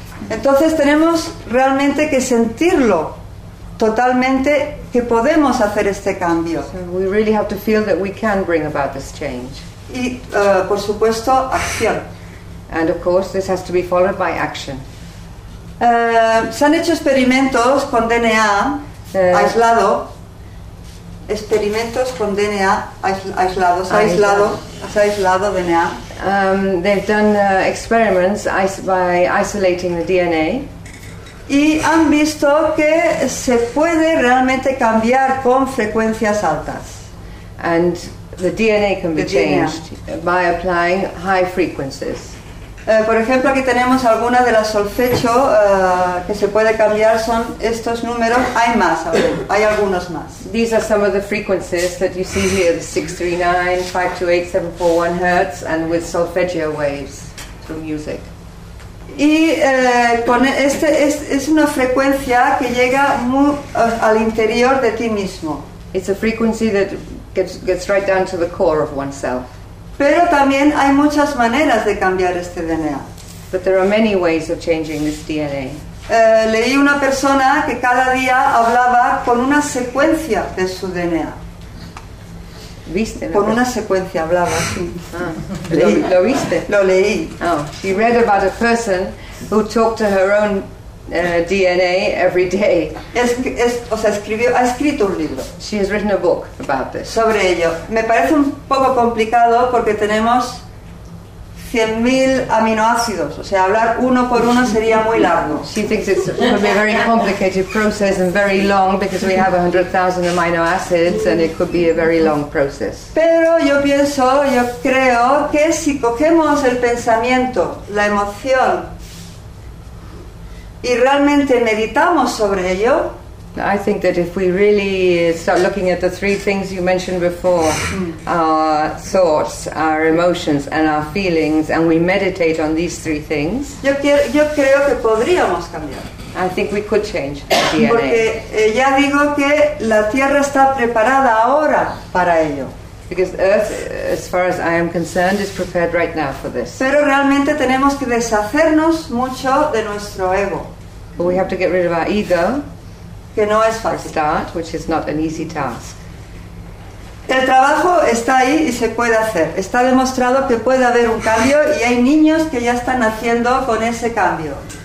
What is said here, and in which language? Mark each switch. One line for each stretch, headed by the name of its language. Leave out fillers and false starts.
Spanish: Entonces tenemos realmente que sentirlo totalmente, que podemos hacer este cambio.
English: So we really have to feel that we can bring about this change.
Spanish: Y por supuesto, acción.
English: And of course this has to be followed by action.
Spanish: Se han hecho experimentos con DNA aislado. Experimentos con DNA aislado DNA.
English: They've done experiments by isolating the DNA.
Spanish: Y han visto que se puede realmente cambiar con frecuencias altas.
English: And the DNA can be changed by applying high frequencies.
Spanish: Por ejemplo, aquí tenemos algunas de las solfecho que se puede cambiar, son estos números. Hay algunos más.
English: These are some of the frequencies that you see here, the 639, 528, 741 hertz, and with solfeggio waves through music.
Spanish: Y con es una frecuencia que llega muy al interior de ti mismo.
English: It's a frequency that gets right down to the core of oneself.
Spanish: Pero también hay muchas maneras de cambiar este DNA.
English: But there are many ways of changing this DNA.
Spanish: Leí una persona que cada día hablaba con una secuencia de su DNA. ¿Viste? Con una secuencia hablaba. Leí. ¿Lo viste? Lo leí.
English: She read about a person who talked to her own DNA every day.
Spanish: Ha escrito un libro.
English: She has written a book about this.
Spanish: Sobre ello. Me parece un poco complicado porque tenemos 100.000 aminoácidos. O sea, hablar uno por uno sería muy largo.
English: She thinks it could be a very complicated process and very long because we have 100,000 amino acids and it could be a very long process.
Spanish: Pero yo creo que si cogemos el pensamiento, la emoción, y realmente meditamos sobre ello.
English: I think that if we really start looking at the three things you mentioned before, our thoughts, our emotions, and our feelings, and we meditate on these three things,
Spanish: yo creo que podríamos cambiar.
English: I think we could change the DNA.
Spanish: Porque ya digo que la Tierra está preparada ahora para ello.
English: Because Earth, as far as I am concerned, is prepared right now for this.
Spanish: Pero realmente tenemos que deshacernos mucho de nuestro ego.
English: But we have to get rid of our ego.
Spanish: Que no es fácil.
English: For a start, which is not an easy task.
Spanish: El trabajo está ahí y se puede hacer. Está demostrado que puede haber un cambio y hay niños que ya están naciendo con ese cambio.